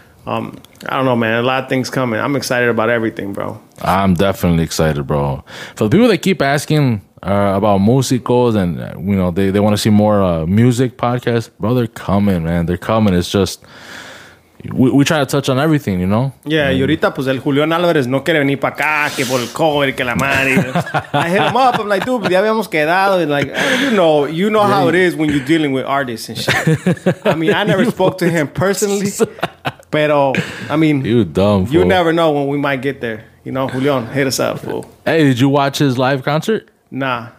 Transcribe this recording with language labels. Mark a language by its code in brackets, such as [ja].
[en] I don't know, man. A lot of things coming. I'm excited about everything, bro. I'm definitely excited, bro. For the people that keep asking about musicos and, you know, they want to see more music podcasts, bro, they're coming, man. They're coming. It's just... We try to touch on everything, you know? [es] Yeah, y ahorita, pues, el Julián Álvarez no quiere venir para acá, que por el cover, que la madre. [en] I hit him up. I'm like, dude, [es] ya habíamos quedado. [en] And like, you know how it is when you're dealing with artists and shit. I mean, I never spoke to him personally, pero, I mean, you're dumb, you never know when we might get there. You know, Julián, hit us up, fool. Hey, did you watch his live concert? Nah.